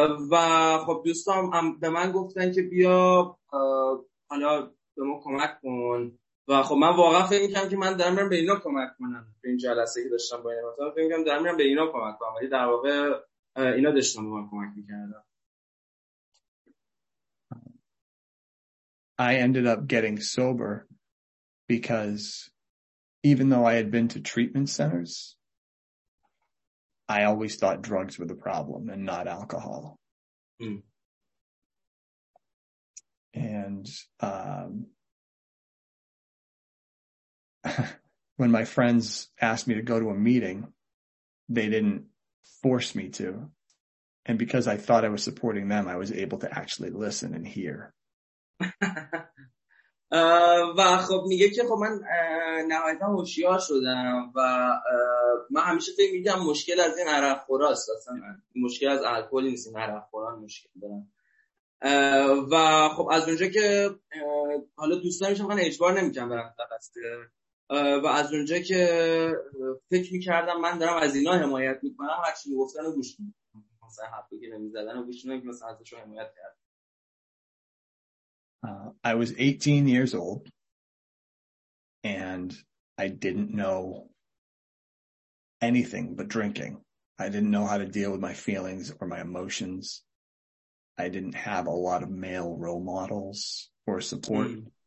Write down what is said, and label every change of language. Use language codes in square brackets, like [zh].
[fa] و خب دوستام به من گفتن که بیا حالا به ما کمک کن و خب من واقعا فکر می‌کردم که من دارم میرم به اینا کمک کنم، به این جلسه که داشتم با اینا مثلا فکر می‌کردم دارم میرم به اینا کمک کنم، ولی در واقع اینا داشتن به من کمک می‌کردن. [en] I ended up getting sober because even though I had been to treatment centers, I always thought drugs were the problem and not alcohol. Mm. And when my friends asked me to go to a meeting, they didn't force me to. And because I thought I was supporting them, I was able to actually listen and hear. [fa] و خب میگه که خب من نهایتا هوشیار شدم و من همیشه فکر میدم مشکل از این عرق خوراست، اصلا مشکل از الکلی نیست، این عرق خوران مشکل دارم. و خب از اونجا که حالا دوستان میشم خب اجبار نمیکنم برم تخصصی، و از اونجا که فکر میکردم من دارم از اینا حمایت میکنم، هرچی میگفتن رو گوش میکنم، مثلا حرفی که نمیزدن رو گوش میکنم که مثلا ازشون حمایت کرد. [en] I was 18 years old and I didn't know anything but drinking. I didn't know how to deal with my feelings or my emotions. I didn't have a lot of male role models or support. Mm.